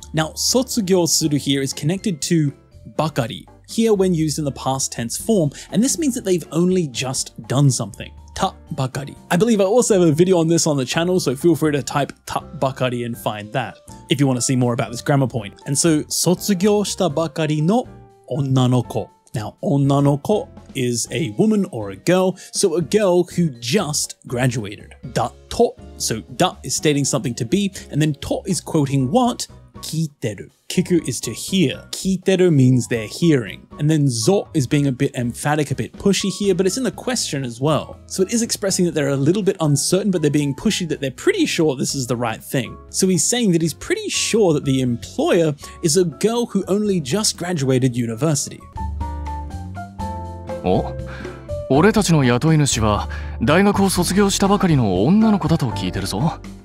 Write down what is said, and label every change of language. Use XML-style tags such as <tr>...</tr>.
<en>Now, 卒業する here is connected to ばかり, here when used in the past tense form, and this means that they've only just done something.</en> <ja>Ta bakari.</ja> <en>I believe I also have a video on this on the channel, so feel free to type</en> <ja>ta bakari</ja> <en>and find that if you want to see more about this grammar point. And so,</en> <ja>卒業したばかりの女の子.</ja> <en>Now, 女の子 is a woman or a girl, so a girl who just graduated.</en> <ja>Da to,</ja> <en>so da is stating something to be, and then to is quoting what?</en> <ja>聞いてる.</ja> <en>Kiku is to hear. 聞いてる means they're hearing. And then zo is being a bit emphatic, a bit pushy here, but it's in the question as well. So it is expressing that they're a little bit uncertain, but they're being pushy that they're pretty sure this is the right thing. So he's saying that he's pretty sure that the employer is a girl who only just graduated university. Oh?</en> <ja>俺たちの雇い主は大学を卒業したばかりの女の子だと聞いてるぞ。</ja>